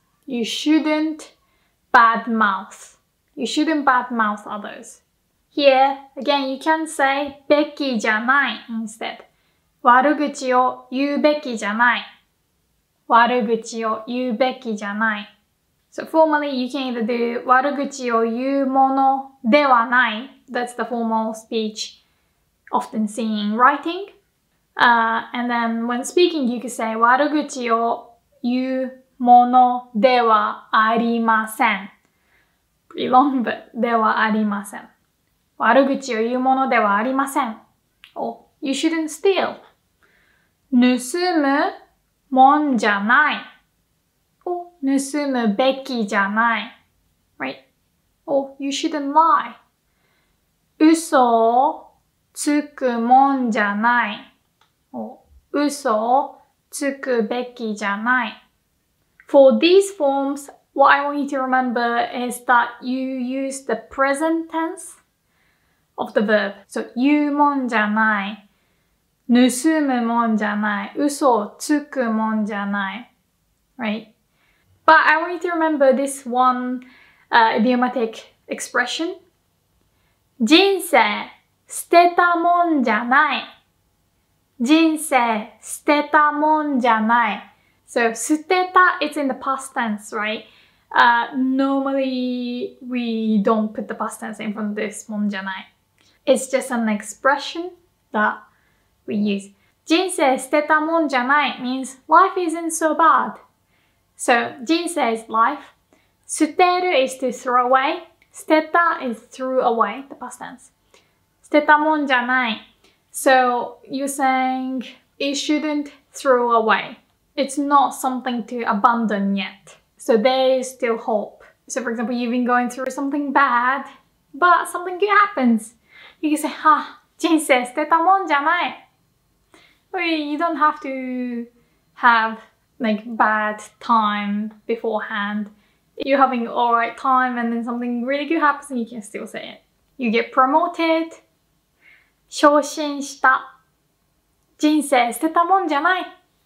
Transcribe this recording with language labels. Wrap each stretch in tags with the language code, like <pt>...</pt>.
<en>You shouldn't badmouth. You shouldn't badmouth others. Here, again, you can say, べきじゃない instead.</en> <ja>悪口を言うべきじゃない。悪口を言うべきじゃない。</ja> <en>So formally, you can either do</en> <ja>悪口を言うものではない。</ja> <en>That's the formal speech often seen in writing. And then when speaking, you can say</en> <ja>悪口を言うものではありません。</ja> <en>Pretty long, but ではありません。</en> <ja>悪口を言うものではありません。</ja> <en>Oh, you shouldn't steal.</en> <ja>盗むもんじゃない。お、盗むべきじゃない。Right?</ja> <en>お、you shouldn't lie.</en> <ja>嘘をつくもんじゃない。お、嘘をつくべきじゃない。</ja> <en>For these forms, what I want you to remember is that you use the present tense of the verb.</en> <ja>So, 言うもんじゃない。盗むもんじゃない。嘘をつくもんじゃない。</ja> <en>Right? But I want you to remember this one, idiomatic expression.</en> <ja>人生捨てたもんじゃない。人生捨てたもんじゃない。</ja> <en>So, 捨てた, it's in the past tense, right? Normally, we don't put the past tense in front of this もんじゃない。 It's just an expression that,We use</en> <ja>人生捨てたもんじゃない</ja> <en>means life isn't so bad. So 人生 is life. 捨てる is to throw away. 捨てた is throw away, the past tense. 捨てたもんじゃない. So you're saying it shouldn't throw away. It's not something to abandon yet. So there is still hope. So for example, you've been going through something bad, but something good happens. You can say, ha,</en> <ja>人生捨てたもんじゃない.</ja> <en>You don't have to have like bad time beforehand. You're having all right time and then something really good happens and you can still say it. You get promoted.</en> <ja>昇進した。人生捨てたもんじゃない。</ja>